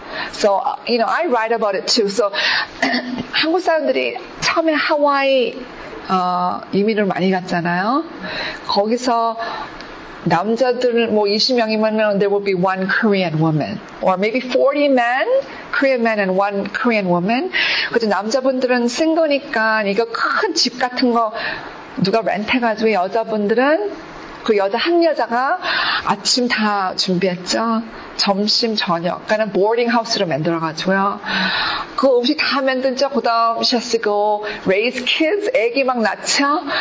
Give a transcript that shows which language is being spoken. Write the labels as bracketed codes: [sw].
[en] So you know, I write about it too. [ko] So 한국 사람들이 처음에 하와이 이민을 많이 갔잖아요. 거기서 남자들 뭐 20명이면 [en] there will be one Korean woman or maybe 40 men, Korean men and one Korean woman. [ko] 그 남자분들은 싱글이니까 이거 큰 집 같은 거 누가 렌트해 가지고 여자분들은 그 여자 한 여자가 아침 다 준비했죠. 점심 저녁 그러니까 boarding house로 만들어 가지고요. 그 음식 다 만들죠. 그다음 [en] she has to go raise kids, [ko] 아기 막 낳죠.